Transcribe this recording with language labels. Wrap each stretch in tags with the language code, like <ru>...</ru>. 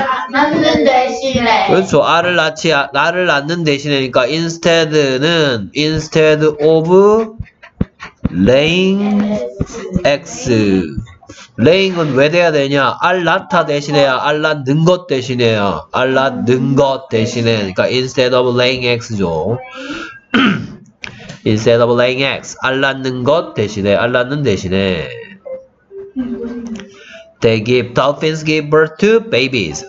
<ko>낳는 대신에. 그렇죠. 알을 낳지 알을 낳는 대신에니까 instead는</ko> <en>instead of laying eggs.</en> <ko>laying은 왜 돼야 되냐? 알 낳다 대신에야. 알 낳는 것 대신에야. 알 낳는 것 대신에. 그러니까</ko> <en>instead of laying eggs</en> <ko>죠.</ko> <en>Instead of laying eggs,</en> <ko>알 낳는 것 대신에, 알 낳는 대신에.</ko> <en>They give, dolphins give birth to babies.</en>